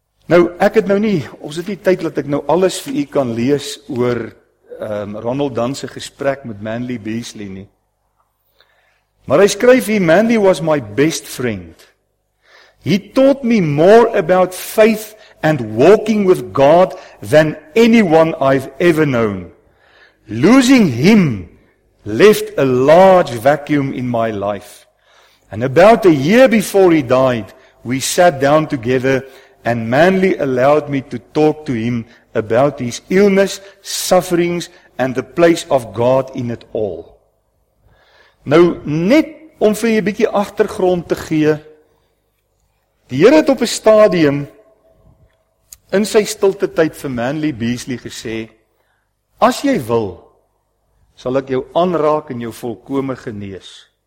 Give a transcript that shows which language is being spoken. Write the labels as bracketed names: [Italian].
[Afrikaans] Nou, ek het nou nie, ons het nie tyd dat ek nou alles vir u kan lees oor Ronald Dunn se gesprek met Manly Beasley nie. Maar hy skryf hier, [English] Manly was my best friend. He taught me more about faith and walking with God than anyone I've ever known. Losing him left a large vacuum in my life. And about a year before he died, we sat down together and Manly allowed me to talk to him about his illness, sufferings and the place of God in it all. [Afrikaans] Nou, net om vir jy 'n bietjie agtergrond te gee, die Here het op 'n stadium in sy stilte tyd vir Manly Beasley gesê, as jy wil, sal ek jou aanraak en jou volkome genees.